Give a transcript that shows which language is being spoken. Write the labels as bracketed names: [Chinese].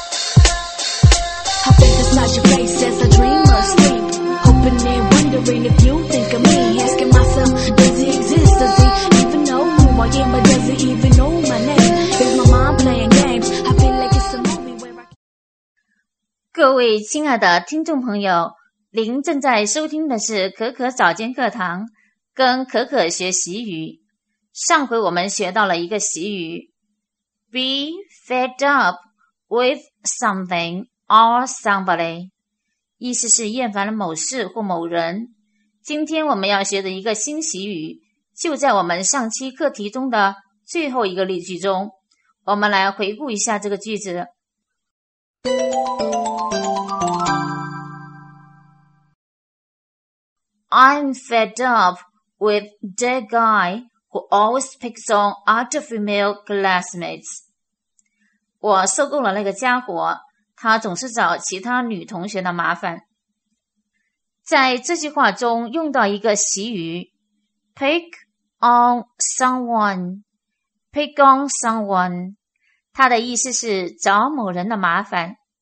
[English] wash your face as I dream or sleep. Hoping and wondering if you think of me. Asking myself, does he exist? Does he even know who I am? Or does he even know my name? Is my mind playing games? I feel like it's a movie where I can... [Chinese] 各位亲爱的听众朋友，您正在收听的是可可早间课堂，跟可可学习语。上回我们学到了一个习语 [English] Be fed up with something or somebody， [Chinese] 意思是厌烦了某事或某人。今天我们要学的一个新习语就在我们上期课题中的最后一个例句中。我们来回顾一下这个句子。 [English] I'm fed up with that guy who always picks on other female classmates. [Chinese] 我受够了那个家伙，他总是找其他女同学的麻烦。在这句话中用到一个习语 , [English] pick on someone, pick on someone, [Chinese] 它的意思是找某人的麻烦。